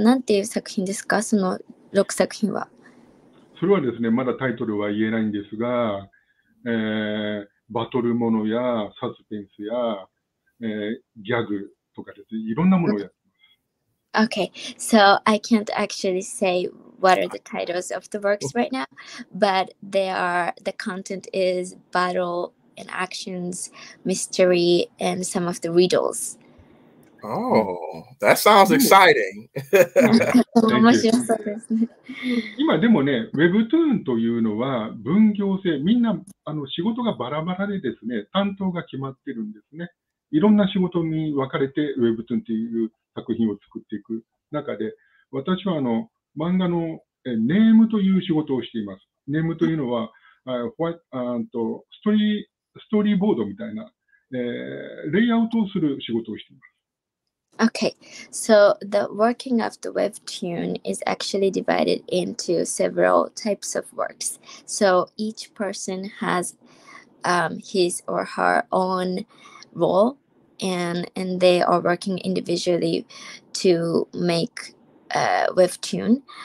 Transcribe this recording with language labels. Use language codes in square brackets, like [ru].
[ja] なんていう作品ですか？その6作品は。それはですね、まだタイトルは言えないんですが、バトルものやサスペンスや、ギャグとかですね、いろんなものをやって。 [en] Okay, so I can't actually say what are the titles of the works right now, but they are, the content is battle and actions, mystery, and some of the riddles. Oh, that sounds exciting. [ja] 面白そうですね。今でもね、Webtoon というのは分業制、みんな仕事がバラバラでですね、担当が決まってるんですね。いろんな仕事に分かれて Webtoon という作品を作っていく中で、私は漫画のネームという仕事をしています。ネームというのは、ストーリーボードみたいな、レイアウトをする仕事をしています。 [en] Okay, so the working of the webtoon is actually divided into several types of works. So each person has his or her own role. And they are working individually to make webtoon.